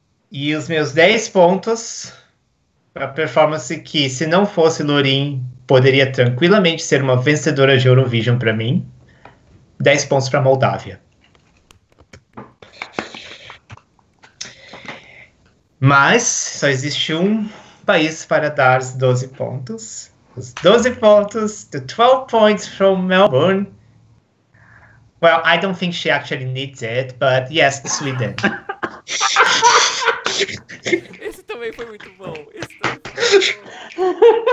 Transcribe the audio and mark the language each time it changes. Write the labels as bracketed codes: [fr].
[pt] E os meus 10 pontos para a performance que, se não fosse Lorin, poderia tranquilamente ser uma vencedora de Eurovision para mim. 10 pontos para a Moldávia. Mas só existe um país para dar os 12 pontos. Os 12 pontos, [en] the 12 points from Melbourne. Well, I don't think she actually needs it, but yes, Sweden. [pt] Esse também foi muito bom. Esse também foi muito bom.